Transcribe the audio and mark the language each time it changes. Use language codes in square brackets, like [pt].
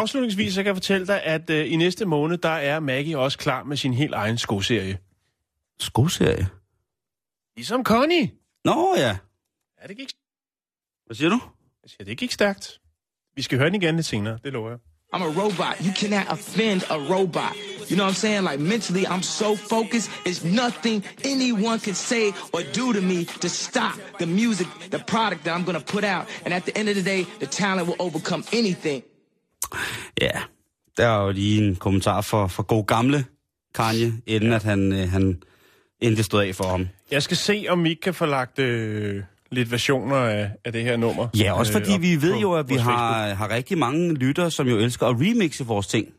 [da] Afslutningsvis så kan jeg fortælle dig, at i næste måned, der er Maggie også klar med sin helt egen skoserie. Skoserie? Ligesom Kanye. Nå ja. Ja, det gik... Hvad siger du? Jeg siger, det gik stærkt. Vi skal høre den igen lidt senere, det lover jeg. [en] I'm a robot. You cannot offend a robot. You know what I'm saying? Like mentally, I'm so focused. It's nothing anyone can say or do to me to stop the music, the product that I'm gonna put out. And at the end of the day, the talent will overcome anything. [da] Ja, der er jo lige en kommentar for god gamle Kanye, inden at han endte stod af for ham. Jeg skal se, om vi kan få lagt lidt versioner af det her nummer. Ja, også fordi vi ved jo, at vi har rigtig mange lytter, som jo elsker at remixe vores ting.